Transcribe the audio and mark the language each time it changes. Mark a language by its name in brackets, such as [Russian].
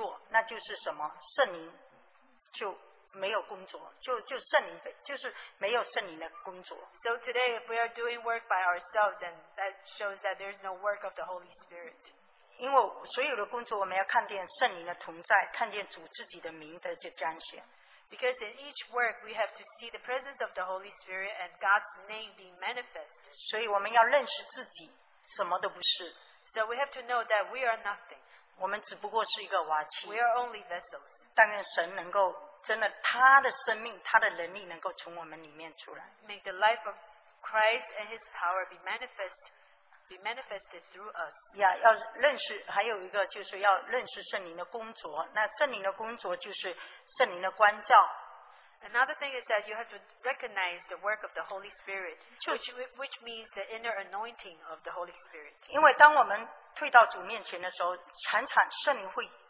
[Chinese] 但是我们今天如果靠着我们去做，那就是什么圣灵。就没有工作，就圣灵的，就是没有圣灵的工作。 [English] So today, if we are doing work by ourselves, then that shows that there is no work of the Holy Spirit. [Chinese] 因为所有的工作，我们要看见圣灵的同在，看见主自己的名的就彰显。 [English] Because in each work, we have to see the presence of the Holy Spirit and God's name being manifest. [Chinese] 所以我们要认识自己，什么都不是。 [English] So we have to know that we are nothing. [Chinese] 我们只不过是一个瓦器。 [English] We are only vessels. [Chinese] 但愿神能够 真的，他的生命，他的能力能够从我们里面出来。 [English] May the life of Christ and His power be manifested through us. [Chinese] Yeah, 要认识，还有一个就是要认识圣灵的工作。那圣灵的工作就是圣灵的光照。 [English] Another thing is that you have to recognize the work of the Holy Spirit, which means the inner anointing of the Holy Spirit. [Chinese] 因为当我们退到主面前的时候，常常圣灵会